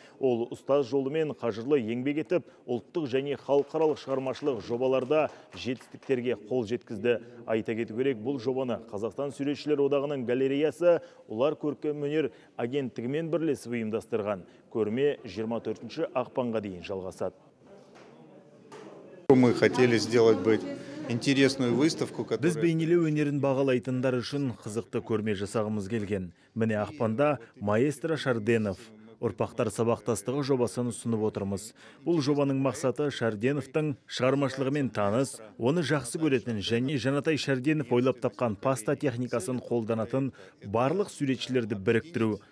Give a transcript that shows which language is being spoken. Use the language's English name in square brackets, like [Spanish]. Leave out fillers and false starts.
[Kazakh] Ол ұстаз жолымен қажырлы еңбек етіп, ұлттық және халықаралық шығармашылық жобаларда жетістіктерге қол жеткізді. Айта кету керек, бұл жобаны Қазақстан суретшілер одағының галереясы Олар көркем өнер агенттігімен бірлесіп ұйымдастырған. Көрме 24 ақпанға дейін жалғасады. [Russian] Мы хотели сделать бы интересную выставку, которая... [Kazakh] Біз бейнелеу өнерін бағалайтындар үшін қызықты көрме жасағымыз келген. Міне ақпанда маэстро Шәрденов ұрпақтар сабақтастығы жобасын ұсынып отырмыз. Бұл жобаның мақсаты Шәрденовтың шығармашылығымен таныс, оны жақсы көретін және Жаңатай Шәрденов ойлап тапқан паста техникасын қолданатын барлық суретшілерді біріктіру.